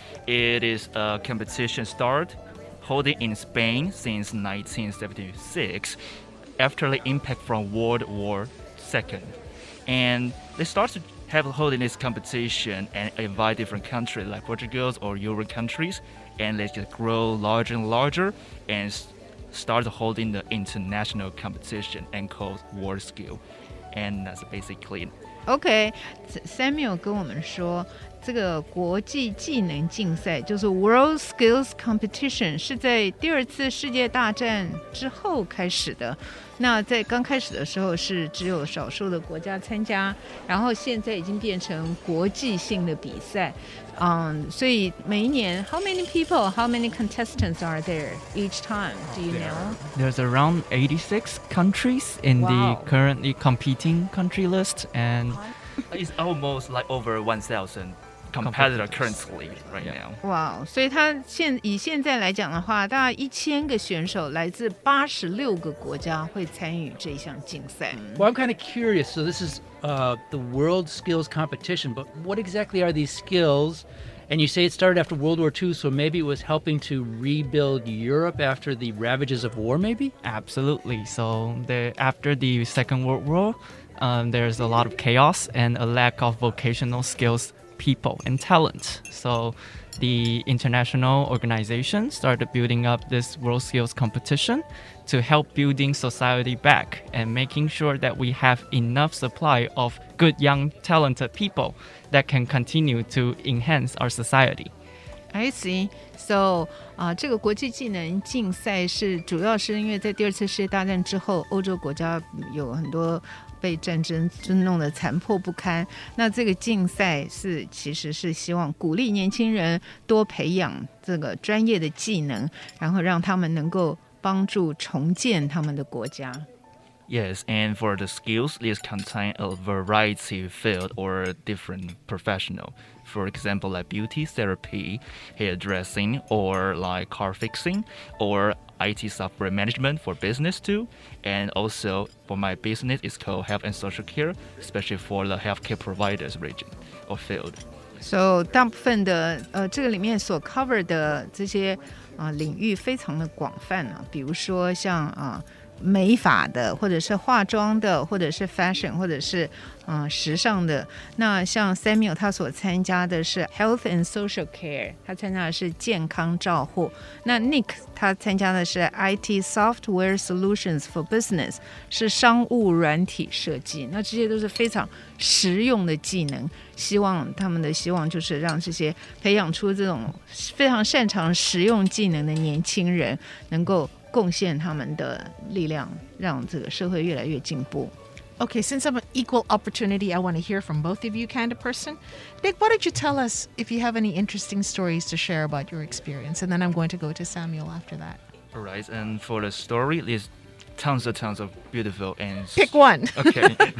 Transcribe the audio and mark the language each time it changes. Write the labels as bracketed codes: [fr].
[en] It is a competition started holding in Spain since 1976 after the impact from World War II. And they started holding this competition and invite different countries like Portugal or Euro countries, and they just grow larger and larger and start holding the international competition and called WorldSkills. And that's basically [zh] Okay, Samuel 跟我们说，这个国际技能竞赛就是 World Skills Competition， 是在第二次世界大战之后开始的。那在刚开始的时候是只有少数的国家参加，然后现在已经变成国际性的比赛。所以每一年 [en] ，How many people? How many contestants are there each time? Do you know? There's around 86 countries in the currently competing country list, and it's almost like over 1,000 competitor currently right now. Wow! [zh] 所以他现以现在来讲的话，大概1000个选手来自86个国家会参与这项竞赛。 [en] Well, I'm kind of curious. So this is the World Skills Competition, but what exactly are these skills? And you say it started after World War II, so maybe it was helping to rebuild Europe after the ravages of war, maybe? Absolutely. So after the Second World War, there's a lot of chaos and a lack of vocational skills people and talent. So the international organization started building up this World Skills Competition to help building society back and making sure that we have enough supply of good, young, talented people that can continue to enhance our society. I see. [zh] So, 这个国际技能竞赛是主要是因为在第二次世界大战之后，欧洲国家有很多被战争弄得残破不堪，那这个竞赛是其实是希望鼓励年轻人多培养这个专业的技能，然后让他们能够帮助重建他们的国家。 [en] Yes, and for the skills, this contains a variety of field or different professional. For example, like beauty therapy, hairdressing, or like car fixing, or IT software management for business too. And also for my business, it's called health and social care, especially for the healthcare providers region or field. [zh] So, 大部分的这个里面所 cover 的这些领域非常的广泛啊，比如说像美发的，或者是化妆的，或者是 fashion， 或者是时尚的。那像 Samuel 他所参加的是 health and social care， 他参加的是健康照护。那 Nick 他参加的是 IT software solutions for business， 是商务软体设计。那这些都是非常实用的技能，希望他们的希望就是让这些培养出这种非常擅长实用技能的年轻人能够贡献他们的力量，让这个社会越来越进步。 [en] Okay, since I'm an equal opportunity, I want to hear from both of you kind of person. Nick, why don't you tell us if you have any interesting stories to share about your experience, and then I'm going to go to Samuel after that. All right, and for the story, there's tons and tons of beautiful and... Pick one. Okay.